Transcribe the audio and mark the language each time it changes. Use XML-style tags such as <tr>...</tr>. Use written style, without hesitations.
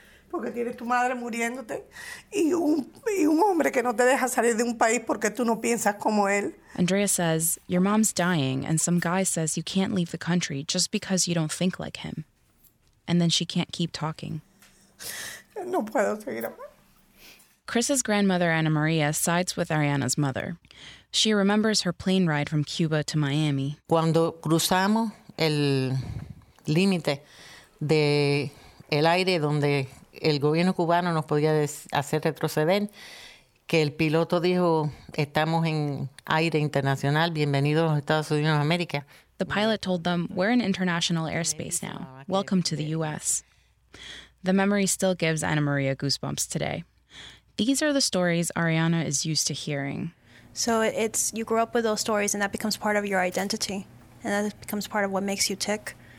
<es>Porque tienes tu madre muriéndote y un hombre que no te deja salir de un país porque tú no piensas como él.</es> <en>Andrea says, your mom's dying and some guy says you can't leave the country just because you don't think like him. And then she can't keep talking.</en> <es>No puedo seguir hablando.</es> <en>Chris's grandmother, Ana Maria, sides with Ariana's mother. She remembers her plane ride from Cuba to Miami.</en> <es>Cuando cruzamos el límite de el aire donde el gobierno cubano nos podía hacer retroceder, que el piloto dijo, estamos en aire internacional, bienvenidos a los Estados Unidos de América.</es> <en>The pilot told them, we're in international airspace now. Welcome to the U.S. The memory still gives Ana Maria goosebumps today. These are the stories Ariana is used to hearing. So it's you grow up with those stories, and that becomes part of your identity, and that becomes part of what makes you tick.</en>